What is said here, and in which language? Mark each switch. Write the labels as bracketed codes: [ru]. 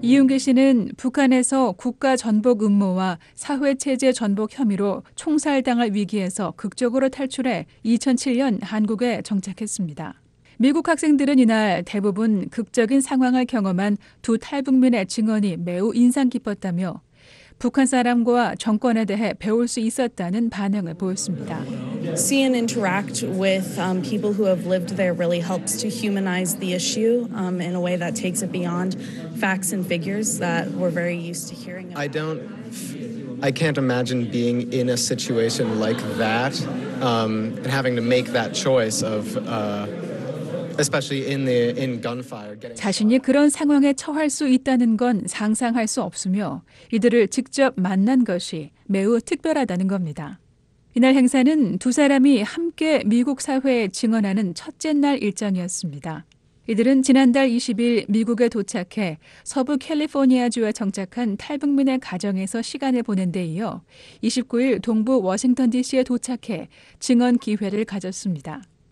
[ko] 이윤규 씨는 북한에서 국가 전복 음모와 사회 체제 전복 혐의로 총살당할 위기에서 극적으로 탈출해 2007년 한국에 정착했습니다. 미국 학생들은 이날 대부분 극적인 상황을 경험한 두 탈북민의 증언이 매우 인상 깊었다며 북한 사람과 정권에 대해 배울 수 있었다는 반응을 보였습니다. [en] See and interact with people who have lived there really helps to humanize the issue in a way that takes it beyond facts and figures that we're very used to hearing about. I can't imagine being in a situation like that and having to make that choice of especially in gunfire. [ko] 자신이 그런 상황에 처할 수 있다는 건 상상할 수 없으며 이들을 직접 만난 것이 매우 특별하다는 겁니다. 이날 행사는 두 사람이 함께 미국 사회에 증언하는 첫째 날 일정이었습니다. 이들은 지난달 20일 미국에 도착해 서부 캘리포니아주에 정착한 탈북민의 가정에서 시간을 보낸 데 이어 29일 동부 워싱턴 DC에 도착해 증언 기회를 가졌습니다.